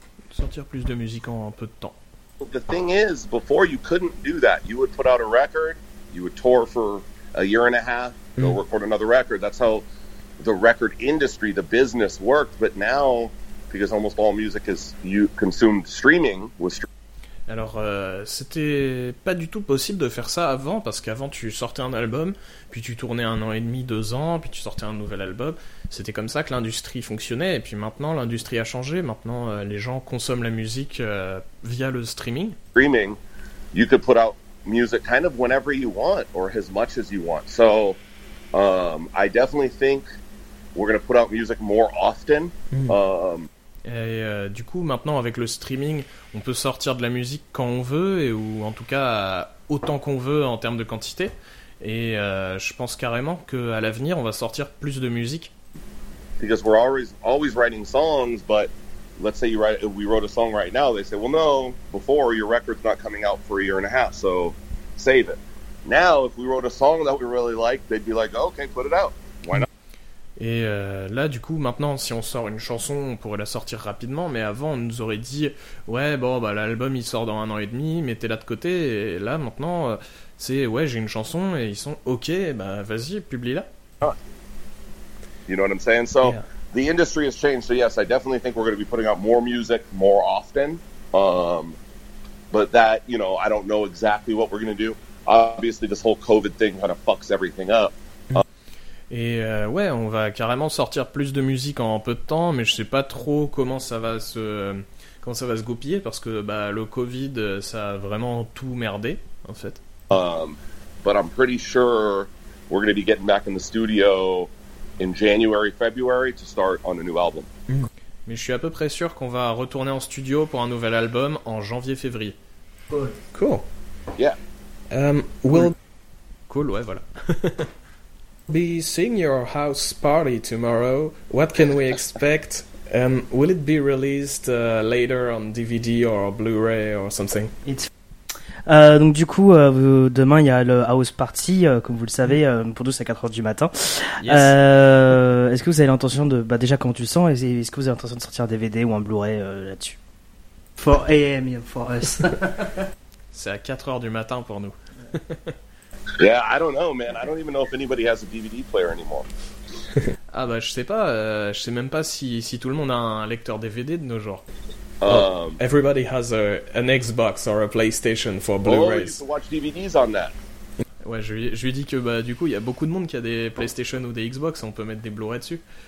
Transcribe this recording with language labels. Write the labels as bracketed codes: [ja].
[fr] Sortir plus de musique en peu de temps. [en] The thing is, before you couldn't do that. You would put out a record, you would tour for a year and a half, go record another record. That's how the record industry, the business worked. But now, because almost all music is consumed streaming with [fr] Alors c'était pas du tout possible de faire ça avant, parce qu'avant tu sortais un album, puis tu tournais un an et demi, deux ans, puis tu sortais un nouvel album. C'était comme ça que l'industrie fonctionnait, et puis maintenant l'industrie a changé. Maintenant les gens consomment la musique via le streaming. [en] Streaming, you could put out music kind of whenever you want or as much as you want. So I definitely think we're going to put out music more often. [fr] Et du coup, maintenant, avec le streaming, on peut sortir de la musique quand on veut, et, ou en tout cas, autant qu'on veut en termes de quantité. Et je pense carrément qu'à l'avenir, on va sortir plus de musique. [en] Because we're always writing songs, but let's say we wrote a song right now, they say, well, no, before, your record's not coming out for a year and a half, so save it. Now, if we wrote a song that we really liked, they'd be like, okay, put it out. [fr] Et là, du coup, maintenant, si on sort une chanson, on pourrait la sortir rapidement. Mais avant, on nous aurait dit, ouais, bon, bah, l'album, il sort dans un an et demi, mettez-la de côté. Et là, maintenant, c'est, ouais, j'ai une chanson, et ils sont, ok, bah, vas-y, publie-la. [en] You know what I'm saying? So, the industry has changed. So, yes, I definitely think we're going to be putting out more music more often. But that, you know, I don't know exactly what we're going to do. Obviously, this whole COVID thing kind of fucks everything up. [fr] Et ouais, on va carrément sortir plus de musique en peu de temps, mais je sais pas trop comment ça va se goupiller, parce que bah le Covid, ça a vraiment tout merdé en fait. [en] But I'm pretty sure we're going to be getting back in the studio in January, February to start on a new album. [fr] Mais je suis à peu près sûr qu'on va retourner en studio pour un nouvel album en janvier, février. [en] Cool. Yeah. [fr] Cool, ouais, voilà. [en] Be seeing your house party tomorrow. What can we expect? Will it be released later on DVD or Blu-ray or something? [fr] Donc du coup, demain il y a le house party, comme vous le savez, pour 12 à 4 heures du matin. Est-ce que vous avez l'intention de, bah déjà comment tu le sens, est-ce que vous avez l'intention de sortir un DVD ou un Blu-ray là-dessus? [en] 4 a.m. for us. [fr] C'est à 4 heures du matin pour nous. [en] Yeah, I don't know, man. I don't even know if anybody has a DVD player anymore. [fr] Ah bah je sais pas, je sais même pas si tout le monde a un lecteur DVD de nos jours. [en] Everybody has an Xbox or a PlayStation for Blu-rays. Oh, you can watch DVDs on that. [fr] Ouais, je lui dis que bah du coup, il y a beaucoup de monde qui a des PlayStation ou des Xbox, on peut mettre des Blu-rays dessus.